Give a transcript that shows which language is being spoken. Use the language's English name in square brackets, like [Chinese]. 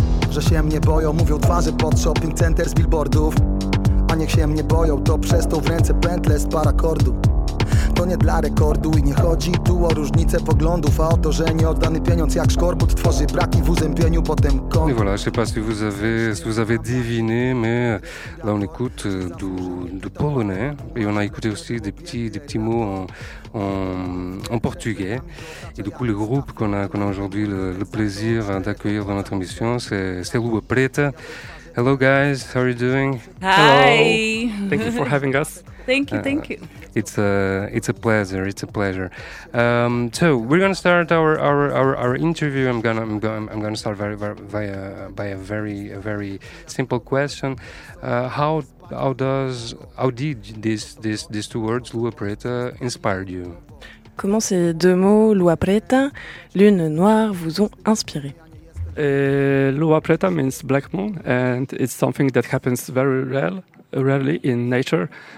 [Polish] Że się mnie boją, mówią twarze pod [English] shopping center [Polish] z billboardów. A niech się mnie boją, to przez tą w ręce pętlę z paracordu. To nie dla rekordu i nie chodzi tu o różnicę poglądów, a o to, że nieoddany pieniądz jak szkorbut tworzy braki w uzębieniu, potem kąt. [French] I voilà, je sais pas si vous avez deviné, mais là on écoute du polonais et on a écouté aussi des petits mots en portugais. Et du coup, le groupe qu'on a aujourd'hui le plaisir d'accueillir dans notre émission, c'est Lua Preta. [English] Hello guys, how are you doing? Hi. Hello. Thank you for having us. Thank you. It's a pleasure. It's a pleasure. So we're gonna start our interview. I'm gonna start by a very simple question. How did these two words, Lua Preta, inspire you? [French] Comment ces deux mots, Lua Preta, Lune Noire, vous ont inspiré? [English] Lua Preta means black moon, and it's something that happens very rarely in nature.